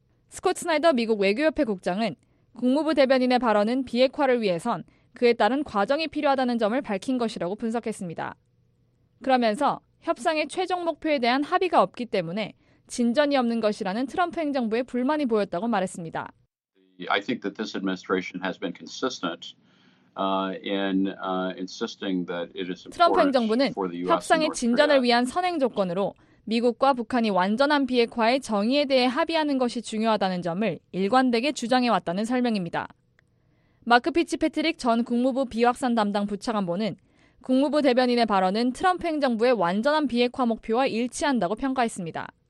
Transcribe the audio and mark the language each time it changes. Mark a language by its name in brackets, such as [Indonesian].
[Korean] 스콧 스나이더 미국 외교협회 국장은 국무부 대변인의 발언은 비핵화를 위해선 그에 따른 과정이 필요하다는 점을 밝힌 것이라고 분석했습니다. 그러면서 협상의 최종 목표에 대한 합의가 없기 때문에 진전이 없는 것이라는 트럼프 행정부의 불만이 보였다고 말했습니다. [English] I think that this administration has been consistent in insisting that it is important for the U.S. [Korean] 협상의 진전을 위한 선행 조건으로 미국과 북한이 완전한 비핵화의 정의에 대해 합의하는 것이 중요하다는 점을 일관되게 주장해왔다는 설명입니다. 마크 피치 패트릭 전 국무부 비확산 담당 부차관보는 국무부 대변인의 발언은 트럼프 행정부의 완전한 비핵화 목표와 일치한다고 평가했습니다.